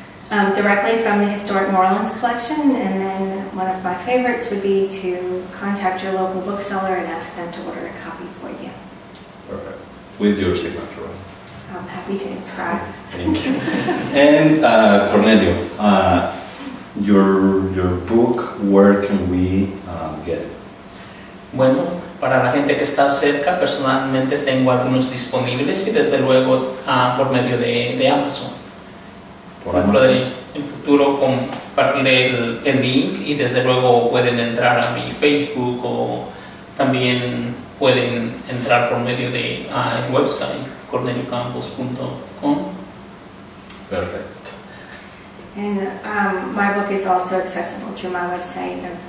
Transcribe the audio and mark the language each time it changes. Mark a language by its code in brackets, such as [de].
[en] Directly from the Historic New Orleans collection, and then one of my favorites would be to contact your local bookseller and ask them to order a copy for you. Perfect. With your signature, right? I'm happy to inscribe. Thank you. And Cornelio, your book, where can we get it? [es] Bueno, para la gente que está cerca, personalmente tengo algunos disponibles y desde luego por medio de Amazon. Por ejemplo, Amazon. En futuro compartiré el link y desde luego pueden entrar a mi Facebook o también pueden entrar por medio de el website corneliocampos.com. [en] Perfect. And my book is also accessible through my website